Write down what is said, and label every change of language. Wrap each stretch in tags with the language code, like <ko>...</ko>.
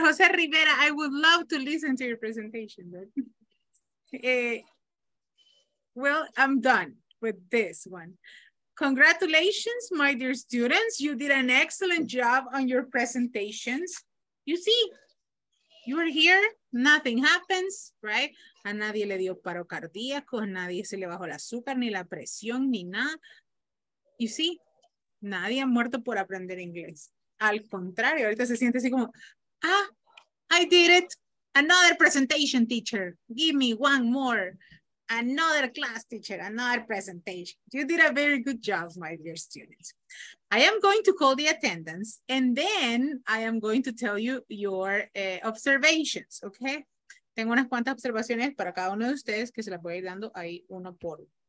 <en>Jose Rivera, I would love to listen to your presentation. But, well, I'm done with this one. Congratulations, my dear students. You did an excellent job on your presentations. You see, you are here, nothing happens, right?</en> <es>A nadie le dio paro cardíaco, a nadie se le bajó el azúcar, ni la presión, ni nada.</es> <en>You see,</en> <es>nadie ha muerto por aprender inglés. Al contrario, ahorita se siente así como, ah,</es> <en>I did it. Another presentation, teacher. Give me one more. Another class teacher, another presentation. You did a very good job, my dear students. I am going to call the attendance and then I am going to tell you your observations, okay?</en> <es>Tengo unas cuantas observaciones para cada uno de ustedes que se las voy a ir dando ahí uno por uno.</es>